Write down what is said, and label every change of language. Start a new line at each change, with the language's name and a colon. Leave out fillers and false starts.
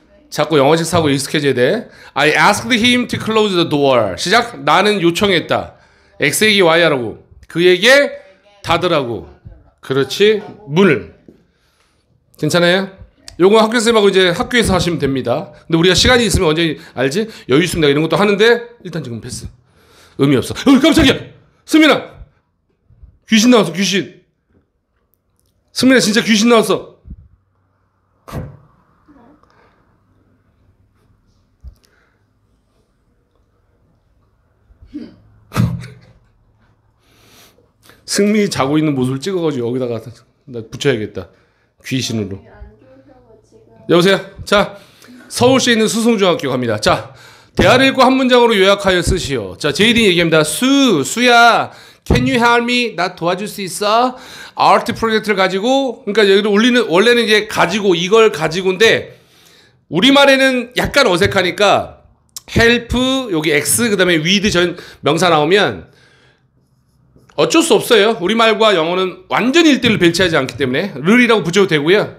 Korean: 자꾸 영어식 사고 익숙해져야 돼.
English: I asked him to close the door.
Korean: 시작. 나는 요청했다. X에게 Y하라고. 그에게 닫으라고. 그렇지. 문을. 괜찮아요? 요거 학교 선생님하고 이제 학교에서 하시면 됩니다. 근데 우리가 시간이 있으면 언제 알지? 여유 있으면 내가 이런 것도 하는데 일단 지금 패스. 의미 없어. 어, 깜짝이야. 승민아. 귀신 나왔어. 귀신. 승민아 진짜 귀신 나왔어. 승민이 자고 있는 모습을 찍어가지고 여기다가 나 붙여야겠다. 귀신으로. 여보세요? 자, 서울시에 있는 수송중학교 갑니다. 자, 대화를 읽고 한 문장으로 요약하여 쓰시오. 자, 제이딘 얘기합니다.
English: 수야, can you help me?
Korean: 나 도와줄 수 있어? 아트 프로젝트를 가지고, 그러니까 여기를 올리는, 원래는 이제 가지고, 이걸 가지고인데, 우리말에는 약간 어색하니까, help, 여기 x, 그 다음에 with 전 명사 나오면, 어쩔 수 없어요. 우리말과 영어는 완전히 1대1로 배치하지 않기 때문에 를이라고 붙여도 되고요.